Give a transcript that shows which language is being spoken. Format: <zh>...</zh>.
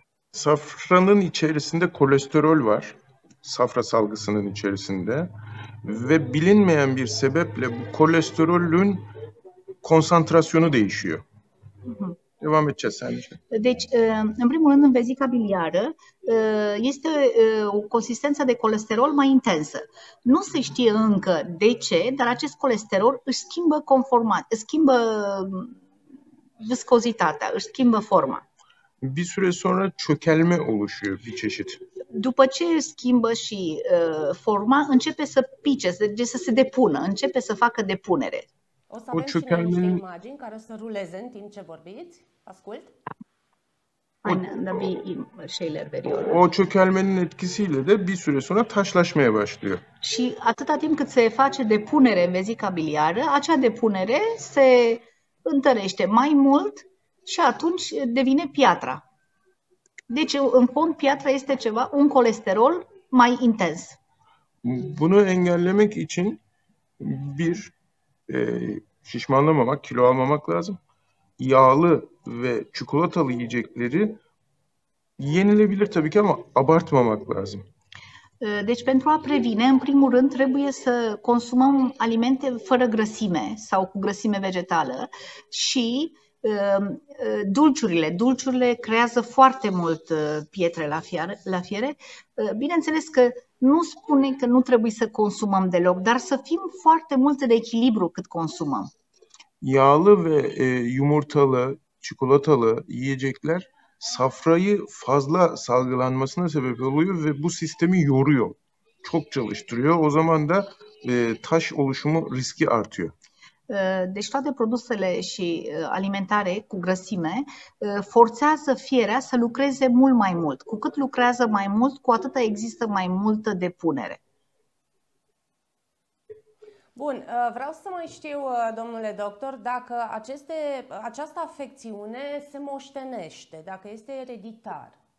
<tr>Safranın içerisinde kolesterol var. Safra salgısının içerisinde ve bilinmeyen bir sebeple bu kolesterolün konsantrasyonu değişiyor. Devam edeceğiz sence.</tr> <ro>Deci, în primul rând, în vezica biliară este o consistență de colesterol mai intensă. Nu se știe încă de ce, dar acest colesterol își schimbă viscozitatea, își schimbă forma.</ro> <tr>Bir süre sonra çökelme oluşuyor bir çeşit.</tr> <ro>După ce schimbă și forma, începe să pice, să se depună, începe să facă depunere. O să avem și niște imagini care o să ruleze în timp ce vorbiți. Ascult.</ro> <tr>kaynağında bir şeyler veriyor. O çökelmenin etkisiyle de bir süre sonra taşlaşmaya başlıyor.</tr> <ro>Și atâta timp cât se face depunere în vezica biliară, acea depunere se întărește mai mult și atunci devine piatra. Deci, în fond, piatra este ceva, un colesterol mai intens.</ro> <tr>Bunu engellemek için bir şişmanlamamak, kilo almamak lazım. Yağlı ve çikolatalı yiyecekleri yenilebilir tabii ki ama abartmamak lazım.</tr> <ro>Deci pentru a previne, în primul rând, trebuie să consumăm alimente fără grăsime sau cu grăsime vegetală și dulciurile. Dulciurile creează foarte mult pietre la fiare. Bineînțeles că nu spune că nu trebuie să consumăm deloc, dar să fim foarte mult de echilibru cât consumăm.</ro> <tr>Yağlı ve yumurtalı, çikolatalı yiyecekler safrayı fazla salgılanmasına sebep oluyor ve bu sistemi yoruyor. Çok çalıştırıyor. O zaman da taş oluşumu riski artıyor.</tr> <ro>Deci toate produsele și alimentare cu grăsime forțează fierea să lucreze mult mai mult. Cu cât lucrează mai mult, cu atât există mai multă depunere. Bun, vreau să mai știu, domnule doctor, dacă această afecțiune se moștenește, dacă este ereditar.</ro>